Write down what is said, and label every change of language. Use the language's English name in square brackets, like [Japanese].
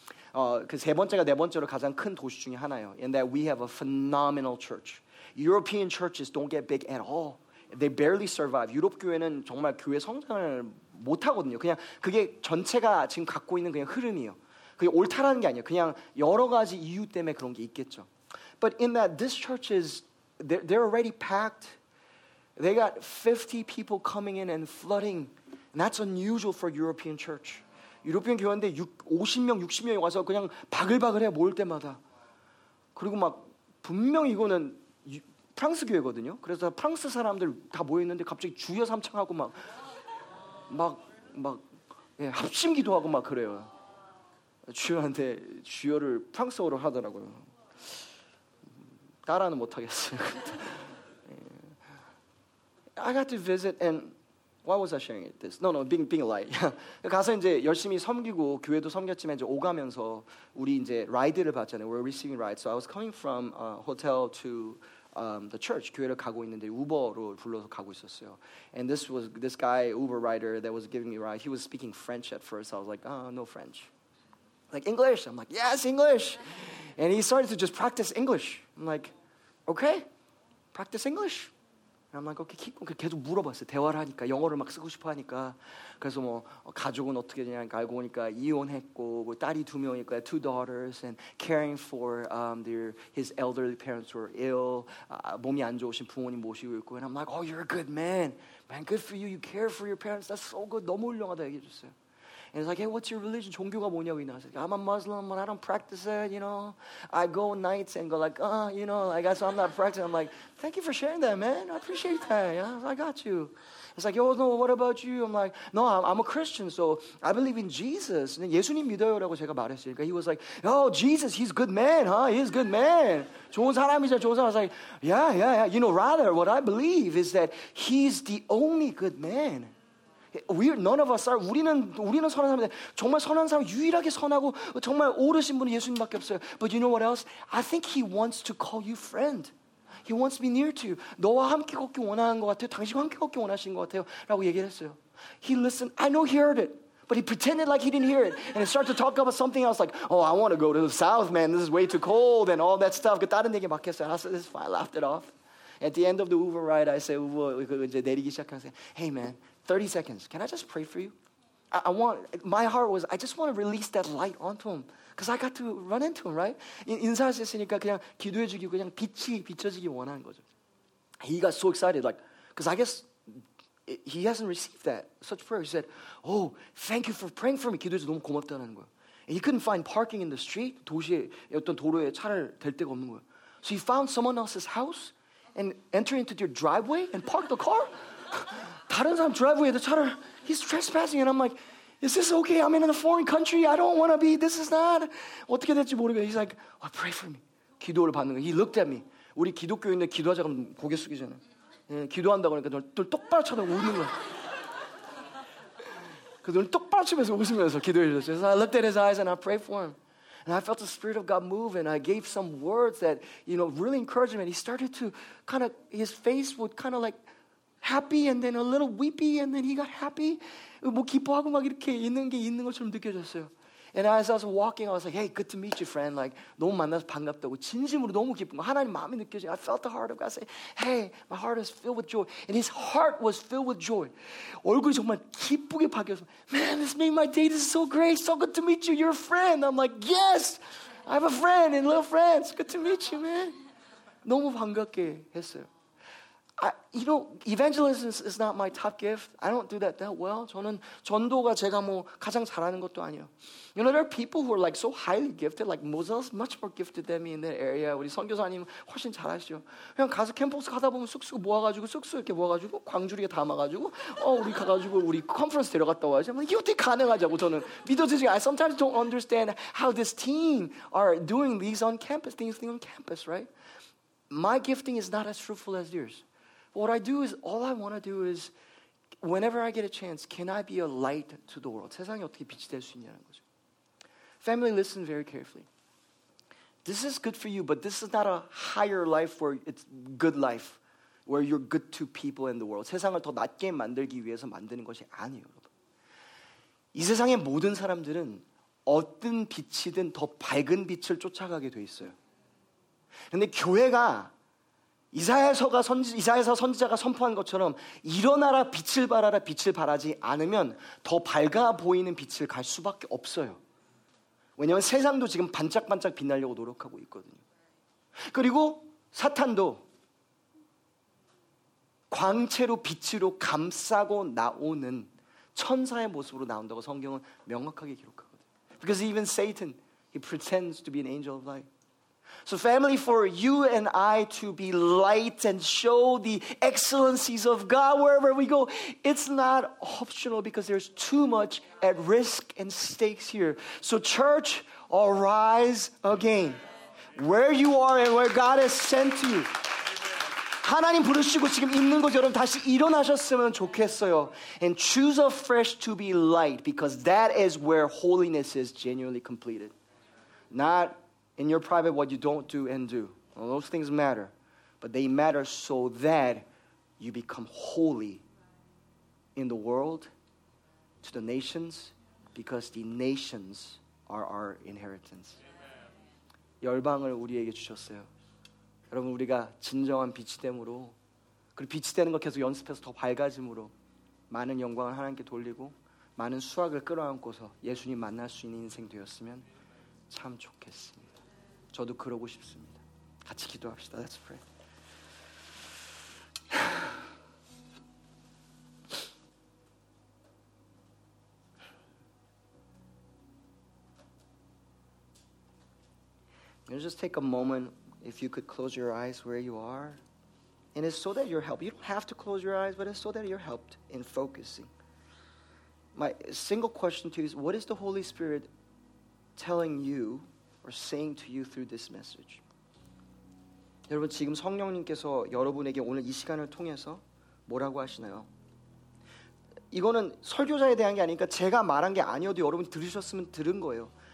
[English] Because [Korean] 세 번째가 네 번째로 가장 큰 도시 중에 하나예요. [English] In that we have a phenomenal church. European churches don't get big at all. They barely survive. [Korean] 유럽 교회는 정말 교회 성장을 못하거든요. 그냥 그게 전체가 지금 갖고 있는 그냥 흐름이에요. 그게 옳다라는 게 아니에요. 그냥 여러 가지 이유 때문에 그런 게 있겠죠. [English] But in that this church is, they're already packed. They got 50 people coming in and flooding. And that's unusual for European church. [Korean] 유럽인 교회인데 50명, 60명이 와서 그냥 바글바글해 모일 때마다. 그리고 막 분명히 이거는 프랑스 교회거든요. 그래서 프랑스 사람들 다 모여있는데 갑자기 주여 삼창하고 막 합심 기도하고 막 그래요. 주여한테 주여를 프랑스어로 하더라고요. 따라는 못하겠어요. [English] I got to visit, and why was I sharing it? This? No, being light. [Korean] 가서 이제 열심히 섬기고 교회도 섬겼지만 이제 오가면서 우리 이제 라이드를 봤잖아요. [English] We're receiving rides. So I was coming from a hotel to the church. [Korean] 교회를 가고 있는데 우버로 불러서 가고 있었어요. [English] And this guy Uber rider that was giving me a ride. He was speaking French at first. I was like, oh, no French. Like English. I'm like, yes, English. And he started to just practice English. I'm like, okay, practice English. And I'm like, okay, keep going. [Korean] 계속 물어봤어요. 대화를 하니까 영어를 막 쓰고 싶어 하니까. 그래서 뭐 가족은 어떻게 되냐 알고 보니까 이혼했고 뭐 딸이 두 명이니까 [English] two daughters and caring for his elderly parents who are ill. [Korean] 몸이 안 좋으신 부모님 모시고 있고. [English] And I'm like, oh, you're a good man. Man, good for you. You care for your parents. That's so good. [Korean] 너무 훌륭하다 얘기해 줬어요. [English] And he's like, hey, what's your religion? [Korean] 종교가 뭐냐고 이나왔어요. [English] I'm a Muslim, but I don't practice it, you know. I go nights and go like, you know, like, so I'm not practicing. I'm like, thank you for sharing that, man. I appreciate that. You know? I got you. He's like, yo, no, what about you? I'm like, no, I'm a Christian, so I believe in Jesus. [Korean] 예수님 믿어요라고 제가 말했으니까. [English] He was like, oh, Jesus, he's a good man, huh? He's a good man. [Korean] 좋은 사람이잖아, 좋은 사람. [English] I was like, yeah. You know, rather, what I believe is that he's the only good man. None of us are. [Korean] 우리는 선한 사람인데 정말 선한 사람 유일하게 선하고 정말 옳으신 분은 예수님밖에 없어요. [English] But you know what else? I think he wants to call you friend. He wants to be near to you. [Korean] 너와 함께 걷기 원하는 것 같아요. 당신과 함께 걷기 원하시는 것 같아요. 라고 얘기를 했어요. [English] He listened. I know he heard it. But he pretended like he didn't hear it. And he started to talk about something else like, oh, I want to go to the south, man. This is way too cold and all that stuff. [Korean] 다른 얘기 막 했어요. [English] I said, this is fine. I laughed it off. At the end of the Uber ride, I said, Uber, [Korean] 내리기 시작하면서, [English] hey, man. 30 seconds. Can I just pray for you? I just want to release that light onto him. Because I got to run into him, right? [Korean] 인사할 수 있으니까 그냥 기도해 주기고 그냥 빛이 비춰지기 원하는 거죠. [English] He got so excited. Like, because I guess he hasn't received that such prayer. He said, oh, thank you for praying for me. [Korean] 기도해 주셔서 너무 고맙다는 거예요. [English] And he couldn't find parking in the street. [Korean] 도시에 어떤 도로에 차를 댈 데가 없는 거예요. [English] So he found someone else's house and entered into their driveway and parked the car. [Korean] 다른 사람 드라이브에도 차를 [English] he's trespassing and I'm like is this okay? I'm in a foreign country. I don't want to be. This is not [Korean] 어떻게 될지 모르겠어요. [English] He's like oh, pray for me. [Korean] 기도를 받는 거예요. [English] He looked at me. [Korean] 우리 기독교인데 기도하자 그럼 고개 숙이잖아요. 예, 기도한다고 하니까 눈을 똑바로 쳐다보고 웃는 거예요. 그 눈을 똑바로 치면서 웃으면서 기도해 주셨어요. [English] So I looked at his eyes and I prayed for him. And I felt the Spirit of God move, and I gave some words that, you know, really encouraged him. And he started to kind of, his face would kind of like happy, and then a little weepy, and then he got happy. [Korean] 뭐 기뻐하고 막 이렇게 있는 게 있는 것처럼 느껴졌어요. [English] And as I was walking, I was like, hey, good to meet you, friend. [Korean] Like, 너무 만나서 반갑다고. 진심으로 너무 기쁜 거. 하나님 마음이 느껴져요. [English] I felt the heart of God say, hey, my heart is filled with joy. And his heart was filled with joy. [Korean] 얼굴이 정말 기쁘게 바뀌었어요. [English] Man, this made my day. This is so great. So good to meet you. You're a friend. I'm like, yes, I have a friend and little friends. Good to meet you, man. [Korean] 너무 반갑게 했어요. [English] You know, evangelism is not my top gift. I don't do that well. [Korean] 저는 전도가 제가 뭐 가장 잘하는 것도 아니에요. [English] You know, there are people who are like so highly gifted, like Moses, much more gifted than me in that area. [Korean] 우리 선교사님 훨씬 잘하시죠. 그냥 가서 캠퍼스 가다 보면 쑥쑥 모아가지고 쑥쑥 이렇게 모아가지고 광주리에 담아가지고 우리 가가지고 우리 컨퍼런스 데려갔다 와야지. 이게 어떻게 가능하냐고 저는 믿어지지가 [English] I sometimes don't understand how this team are doing these on campus, these things on campus, right? My gifting is not as fruitful as yours. What I do is, all I want to do is, whenever I get a chance, can I be a light to the world? [Korean] 세상에 어떻게 빛이 될 수 있냐는 거죠. [English] Family, listen very carefully. This is good for you, but this is not a higher life where it's good life, where you're good to people in the world. [Korean] 세상을 더 낮게 만들기 위해서 만드는 것이 아니에요, 여러분. 이 세상의 모든 사람들은 어떤 빛이든 더 밝은 빛을 쫓아가게 돼 있어요. 근데 교회가 이사야서 선지자가 선포한 것처럼 일어나라 빛을 발하라 빛을 발하지 않으면 더 밝아 보이는 빛을 갈 수밖에 없어요. 왜냐하면 세상도 지금 반짝반짝 빛나려고 노력하고 있거든요. 그리고 사탄도 광채로 빛으로 감싸고 나오는 천사의 모습으로 나온다고 성경은 명확하게 기록하거든요. [English] Because even Satan, he pretends to be an angel of light. So family, for you and I to be light and show the excellencies of God wherever we go, it's not optional because there's too much at risk and stakes here. So church, arise again. Where you are and where God has sent you. [Korean] 하나님 부르시고 지금 있는 곳 여러분 다시 일어나셨으면 좋겠어요. [English] And choose afresh to be light because that is where holiness is genuinely completed. Not in your private, what you don't do and do. Well, those things matter. But they matter so that you become holy in the world, to the nations, because the nations are our inheritance. Amen. [Korean] 열방을 우리에게 주셨어요. 여러분, 우리가 진정한 빛이 됨으로 그리고 빛이 되는 걸 계속 연습해서 더 밝아짐으로 많은 영광을 하나님께 돌리고 많은 수확을 끌어안고서 예수님 만날 수 있는 인생 되었으면 참 좋겠습니다. 저도 그러고 싶습니다. 같이 기도합시다. [English] Let's pray. And just take a moment, if you could close your eyes where you are. And it's so that you're helped. You don't have to close your eyes, but it's so that you're helped in focusing. My single question to you is, what is the Holy Spirit telling you or saying to you through this message? [Korean] 여러분, 지금 성령님께서 여러분에게 오늘 이 시간을 통해서 뭐라고 하시나요? 이거는 설교자에 대한 게 아니니까 제가 말한 게 아니어도 여러분 들으셨으면 들은 거예요.